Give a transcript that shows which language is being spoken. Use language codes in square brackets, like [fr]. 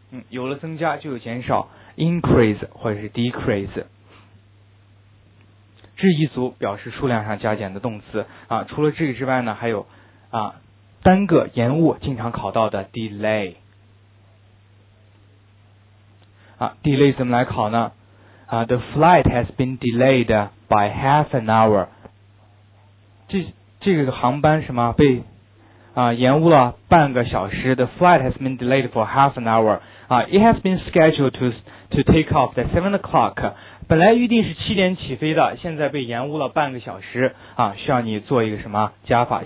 [zh] 有了增加就有减少 increase 或者是 decrease， 这一组表示数量上加减的动词啊。除了这个之外呢，还有啊单个延误经常考到的 delay 啊。 delay 怎么来考呢？ [en] 啊 the flight has been delayed by half an hour， [zh] 这个航班什么被延误了半个小时。 [en] The flight has been delayed for half an hour. It has been scheduled to take off at 7 o'clock. [zh] 本来预定是7点起飞的，现在被延误了半个小时。需要你做一个什么加法？